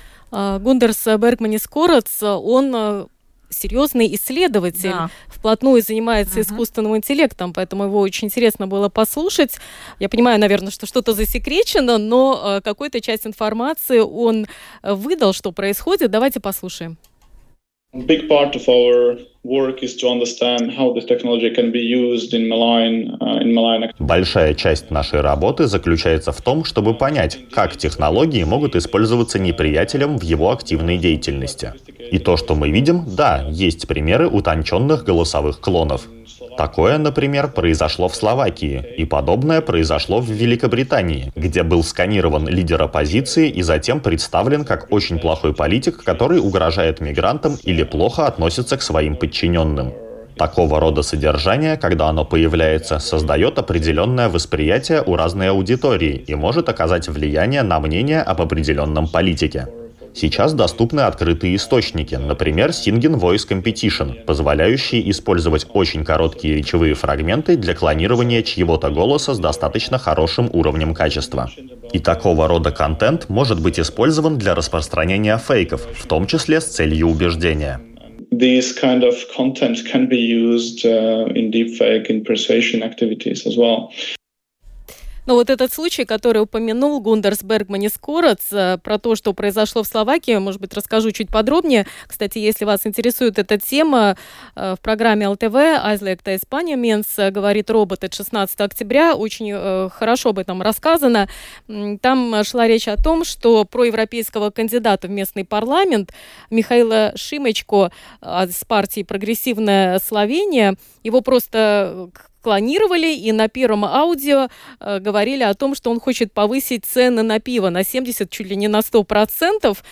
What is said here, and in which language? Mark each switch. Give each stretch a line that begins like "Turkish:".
Russian: Гундерс Бергманис Корац, он серьезный исследователь, да. Вплотную занимается искусственным интеллектом, поэтому его очень интересно было послушать. Я понимаю, наверное, что что-то засекречено, но какую-то часть информации он выдал, что происходит. Давайте послушаем.
English: Big part of our work is to understand how this technology can be used in malign,
Russian: Большая часть нашей работы заключается в том, чтобы понять, как технологии могут использоваться неприятелем в его активной деятельности. И то, что мы видим, да, есть примеры утонченных голосовых клонов. Такое, например, произошло в Словакии, и подобное произошло в Великобритании, где был сканирован лидер оппозиции и затем представлен как очень плохой политик, который угрожает мигрантам или плохо относится к своим подчиненным. Такого рода содержание, когда оно появляется, создает определенное восприятие у разной аудитории и может оказать влияние на мнение об определенном политике. Сейчас доступны открытые источники, например, Singing Voice Competition, позволяющие использовать очень короткие речевые фрагменты для клонирования чьего-то голоса с достаточно хорошим уровнем качества. И такого рода контент может быть использован для распространения фейков, в том числе с целью убеждения.
English: These kind of content can be used in deepfake and persuasion activities as well.
Russian: Но вот этот случай, который упомянул Гундерс Бергман из Куроц, про то, что произошло в Словакии, может быть, расскажу чуть подробнее. Кстати, если вас интересует эта тема, в программе ЛТВ «Айзлекта Испания Менс» говорит робот от 16 октября. Очень хорошо об этом рассказано. Там шла речь о том, что проевропейского кандидата в местный парламент Михаила Шимечко из партии «Прогрессивная Словения», его просто клонировали, и на первом аудио говорили о том, что он хочет повысить цены на пиво на 70, чуть ли не на 100%.